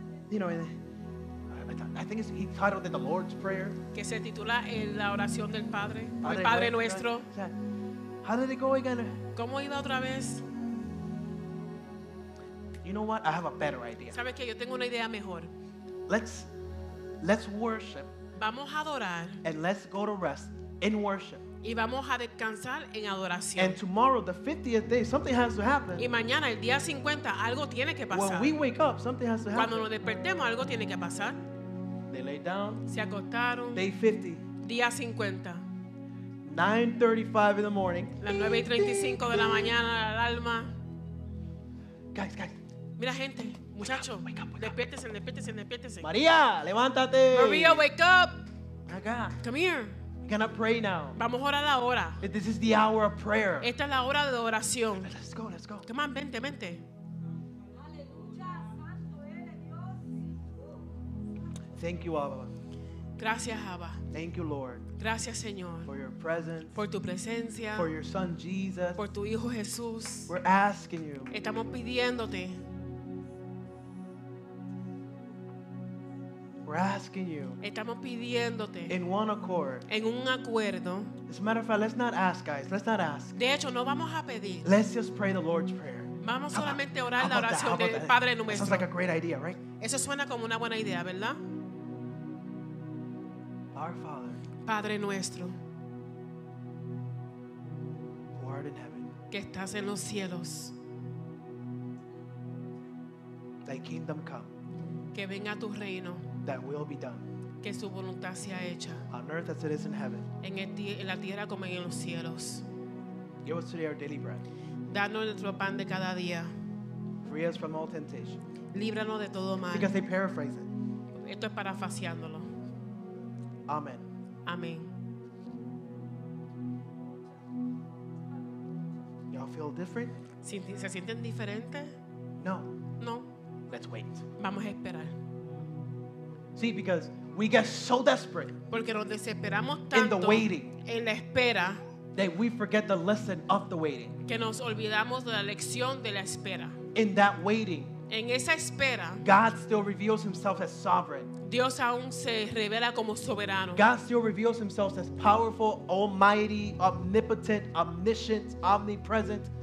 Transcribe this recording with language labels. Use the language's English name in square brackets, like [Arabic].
[English] You know, I think he titled it the Lord's Prayer. [Spanish] Que se titula la oración del Padre, el Padre nuestro. [English] How did it go again? [Spanish] ¿Cómo iba otra vez? [English] you know what? I have a better idea. [Spanish] ¿Sabe qué? Yo tengo una idea mejor. [English] Let's worship. [Spanish] Vamos a adorar. [English] And let's go to rest in worship. [Spanish] Y vamos a descansar en adoración. [English] And tomorrow, the 50th day, something has to happen. [Spanish] Y mañana, el día 50, algo tiene que pasar. [English] When we wake up, something has to happen. [Spanish] Cuando nos despertemos, algo tiene que pasar. [English] They lay down. [Spanish] Se acostaron. [English] Day 50. [Spanish] Día 50. [English] 9:35 in the morning. [Spanish] Las 9:35 de la mañana, la alarma. [English] Guys. [Spanish] Mira, gente, muchachos. Despiértense. María, levántate. [English] María, wake up. [Spanish] Acá. [English] Come here. We're gonna pray now. [Spanish] Vamos a orar ahora. [English] This is the hour of prayer. [Spanish] Esta es la hora de oración. [English] Let's go. Come on, vente. Thank you, Abba. [Spanish] Gracias, Abba. [English] Thank you, Lord. [Spanish] Gracias, Señor. [English] For your presence. [Spanish] Por tu presencia. [English] For your son, Jesus. [Spanish] Por tu hijo, Jesús. [English] We're asking you. [Spanish] Estamos pidiéndote. [English] We're asking you. [Spanish] Estamos pidiéndote. [English] In one accord. [Spanish] En un acuerdo. [English] As a matter of fact, let's not ask, guys. Let's not ask. [Spanish] De hecho, no vamos a pedir. [English] Let's just pray the Lord's Prayer. [Spanish] Vamos solamente a orar la oración del Padre Nuestro. [English] Sounds like a great idea, right? [Spanish] Eso suena como una buena idea, ¿verdad? [English] Our Father. [Spanish] Padre Nuestro. [English] Who art in heaven. [Spanish] Que estás en los cielos. [English] Thy kingdom come. [Spanish] Que venga tu reino. [English] That will be done. [Spanish] Que su voluntad sea hecha. [English] On earth as it is in heaven. [Spanish] En la tierra como en los cielos. [English] Give us today our daily bread. [Spanish] Danos nuestro pan de cada día. [English] Free us from all temptation. [Spanish] Líbranos de todo mal. [English] Because they paraphrase it. [Spanish] Esto es parafaseándolo. [English] Amen. [Spanish] Amén. [English] Y'all feel different? [Spanish] ¿Se sienten diferentes? [English] No. Let's wait. [Spanish] Vamos a esperar. [English] See, because we get so desperate. [Spanish] Porque nos desesperamos tanto [English] in the waiting. [Spanish] En la espera. [English] That we forget the lesson of the waiting. [Spanish] Que nos olvidamos de la lección de la espera. [English] In that waiting. [Spanish] En esa espera. [English] God still reveals himself as sovereign. [Spanish] Dios aún se revela como soberano. [English] God still reveals himself as powerful, almighty, omnipotent, omniscient, omnipresent.